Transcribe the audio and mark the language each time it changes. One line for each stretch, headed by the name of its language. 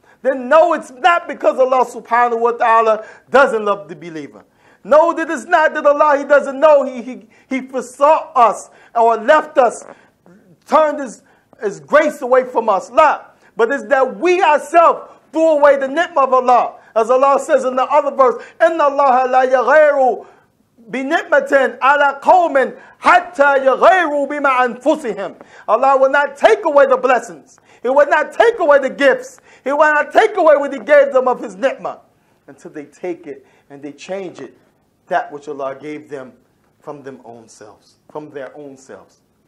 English: then know it's not because Allah subhanahu wa ta'ala doesn't love the believer. Know that it's not that Allah, He doesn't know. He forsaw us or left us, turned His grace away from us. Allah. But it's that we ourselves threw away the ni'mah of Allah. As Allah says in the other verse,
Arabic: إِنَّ اللَّهَ لَا يَغَيْرُ بِنِعْمَةٍ عَلَىٰ قَوْمٍ حَتَّى يَغَيْرُوا بِمَا أَنفُسِهِمْ.
English: Allah will not take away the blessings. He will not take away the gifts. He will not take away what He gave them of His ni'mah until they take it and they change it, that which Allah gave them from them own selves, from their own selves.